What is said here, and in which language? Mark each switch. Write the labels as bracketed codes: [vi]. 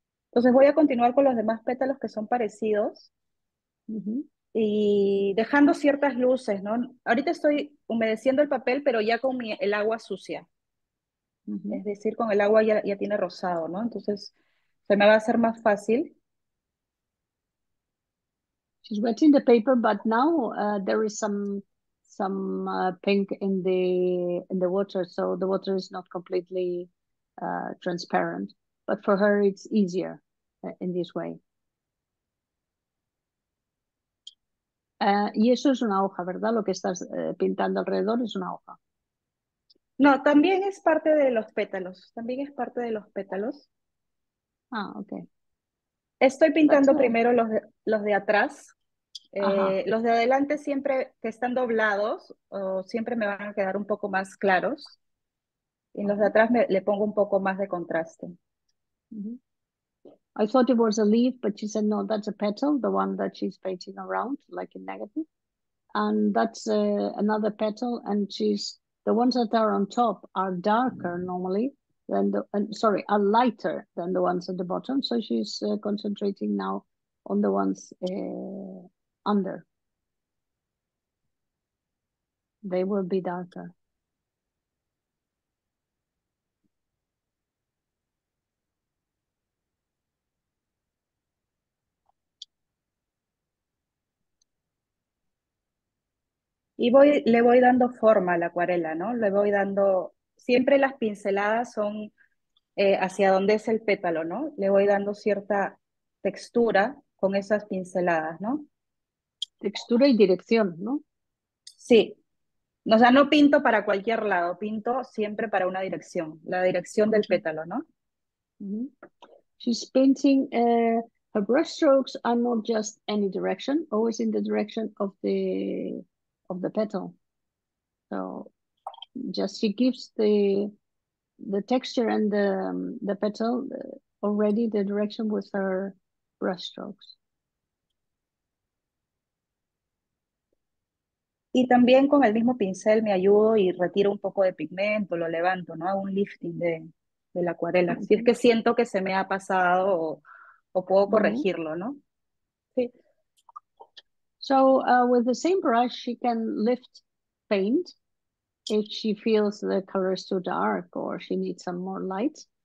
[es] Entonces voy a continuar con los demás pétalos que son parecidos y dejando ciertas luces, ¿no? Ahorita estoy humedeciendo el papel, pero ya con el agua sucia. Es decir, con el agua ya tiene rosado, ¿no? Entonces se me va a hacer más fácil. [en] She's wetting the paper, but now there is some pink in the water, so the water is not completely transparent. But for her, it's easier in this way. [es] Y eso es una hoja, ¿verdad? Lo que estás pintando alrededor es una hoja. No, también es parte de los pétalos. También es parte de los pétalos. Ah, ok. Estoy pintando primero los de atrás. Los de adelante siempre que están doblados o siempre me van a quedar un poco más claros. Y los de atrás le pongo un poco más de contraste. [en] I thought it was a leaf, but she said no, that's a petal, the one that she's painting around, like in negative. And that's another petal, and she's the ones that are on top are darker normally than the and sorry, are lighter than the ones at the bottom. So she's concentrating now on the ones under. They will be darker. [es] Y le voy dando forma a la acuarela, ¿no? Le voy dando, siempre las pinceladas son hacia donde es el pétalo, ¿no? Le voy dando cierta textura con esas pinceladas, ¿no? Textura y dirección, ¿no? Sí. O sea, no pinto para cualquier lado, pinto siempre para una dirección, la dirección del pétalo, ¿no? [en] She's painting, her brush strokes are not just any direction, always in the direction of the... of the petal. So just she gives the texture and the petal already the direction with her brush strokes. [es] Y también con el mismo pincel me ayudo y retiro un poco de pigmento, lo levanto, ¿no? Hago un lifting de la acuarela. Si es que siento que se me ha pasado o puedo corregirlo, ¿no? Sí. [en] So with the same brush, she can lift paint if she feels the color is too dark or she needs some more light.